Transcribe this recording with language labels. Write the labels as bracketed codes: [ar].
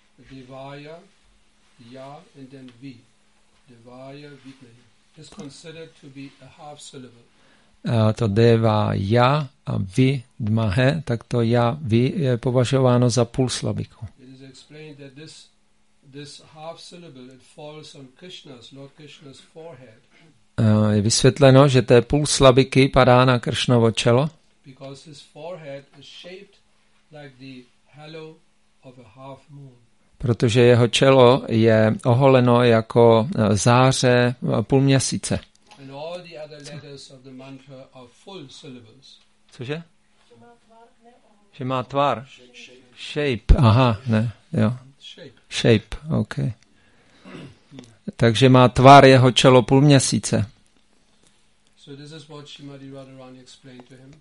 [en] divaya ya and then V, devaya vidmahe, is considered to be a half syllable. [cs] To deva ja a vi dmahe, tak to ja vi je považováno za půl slabiku. [en] It is explained that this half syllable, it falls on Krishna's, Lord Krishna's forehead. [cs] Je vysvětleno, že té půl slabiky padá na Krishnovo čelo. [en] Because his forehead is shaped like the halo of a half moon. [cs] Protože jeho čelo je oholeno jako záře půl měsíce. [en] And all the other letters of the mantra are full syllables. [cs] Cože? Že má tvar? Shape. Aha, ne, jo. [en] Shape, ok. [cs] Takže má tvar jeho čelo půl měsíce. [en] So this is what Srimati Radharani explained to him.